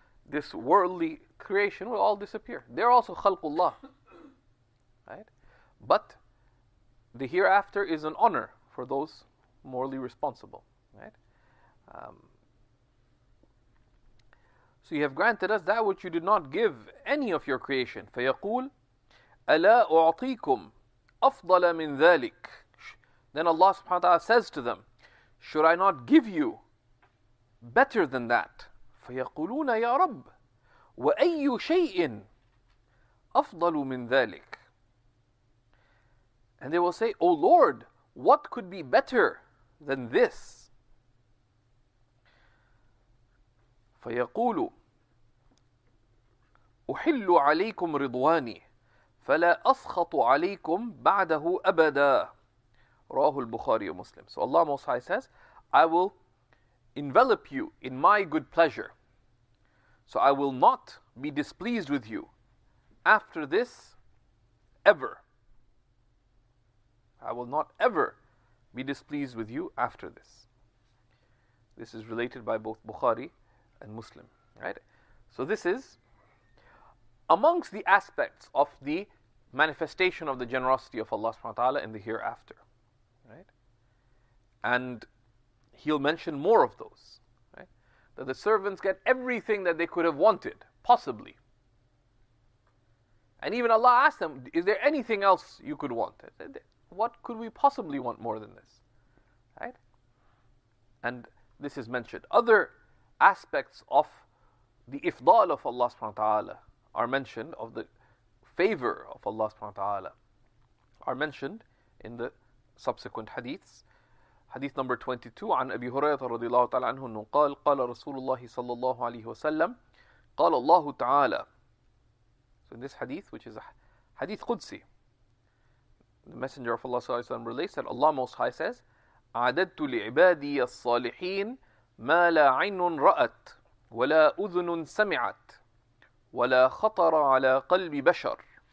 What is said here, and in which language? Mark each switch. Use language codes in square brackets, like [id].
[en] This worldly creation will all disappear. They're also khalqullah, right? But the hereafter is an honor for those morally responsible, right? So you have granted us that which you did not give any of your creation. [ar] فيقول ألا أعطيكم أفضل من ذلك. [en] Then Allah subhanahu wa ta'ala says to them, should I not give you better than that? [ar] فيقولون يا رب وأي شيء أفضل من ذلك. [en] And they will say, O Lord, what could be better than this? [ar] فَيَقُولُ أُحِلُّ عَلَيْكُمْ رِضْوَانِي فَلَا أَسْخَطُ عَلَيْكُمْ بَعْدَهُ أَبَدًا رَاهُ الْبُخَارِيُ مُسْلِمْ. [en] So Allah Most High says, I will envelop you in my good pleasure. So I will not be displeased with you after this ever. I will not ever be displeased with you after this. This is related by both Bukhari and Muslim, right? So this is amongst the aspects of the manifestation of the generosity of Allah subhanahu wa ta'ala in the hereafter, right? And he'll mention more of those, right? That the servants get everything that they could have wanted, possibly. And even Allah asked them, is there anything else you could want? What could we possibly want more than this? Right? And this is mentioned. Other aspects of the ifdal of Allah subhanahu wa ta'ala are mentioned, of the favor of Allah subhanahu wa ta'ala, are mentioned in the subsequent hadiths. Hadith number 22, [ar] عن أبي هريرة رضي الله تعالى عنه أنه قال قال رسول الله صلى الله عليه وسلم قال الله تعالى. [en] So in this hadith, which is a hadith Qudsi, the Messenger of Allah صلى الله عليه وسلم relates that Allah Most High says, [ar] أعددت لعبادي الصالحين ما لا عين رأت ولا أذن سمعت ولا خطر على قلب بشر.